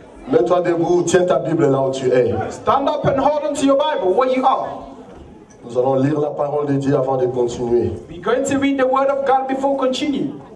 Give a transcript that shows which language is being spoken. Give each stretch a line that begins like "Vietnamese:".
French: Mets-toi debout, tiens ta Bible là où tu es.
English: Stand up and hold on to your Bible where you are.
French: Nous allons lire la parole de Dieu avant de continuer.
English: We're going to read the word of God before continue.